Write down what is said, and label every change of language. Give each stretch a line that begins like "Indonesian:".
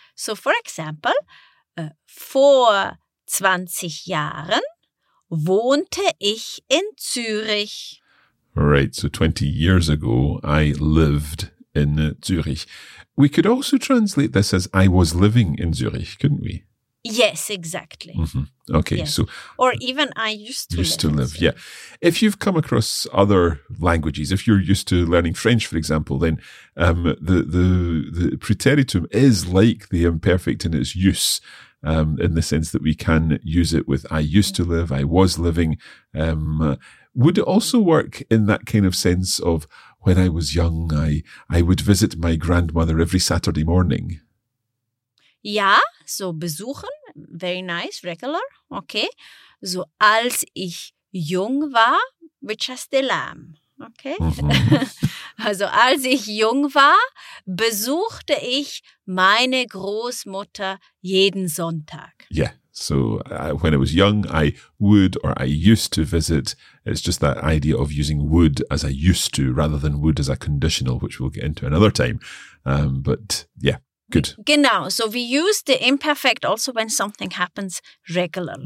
English: So, for example,
German: vor 20 Jahren wohnte ich in Zürich.
English: Right, so 20 years ago, I lived in Zürich. We could also translate this as I was living in Zürich, couldn't we? Yes, exactly. Mm-hmm. Okay, yes. So... Or even I used to live. Used to live, yeah. If you've come across other languages, if you're used to learning French, for example, then the preteritum is like the imperfect in its use, in the sense that we can use it with I used to live, I was living. Would it also work in that kind of sense of when I was young, I would visit my grandmother every Saturday morning? Yeah, so besuchen, very nice, regular, okay. So
German: als ich jung war,
English: which I still am, okay. Mm-hmm.
German: Also als ich jung war, besuchte ich meine Großmutter jeden Sonntag.
English: Yeah, so when I was young, I would or I used to visit. It's just that idea of using would as I used to rather than would as a conditional, which we'll get into another time. But yeah. Good.
German: Genau.
English: So we use the imperfect also when something happens regularly.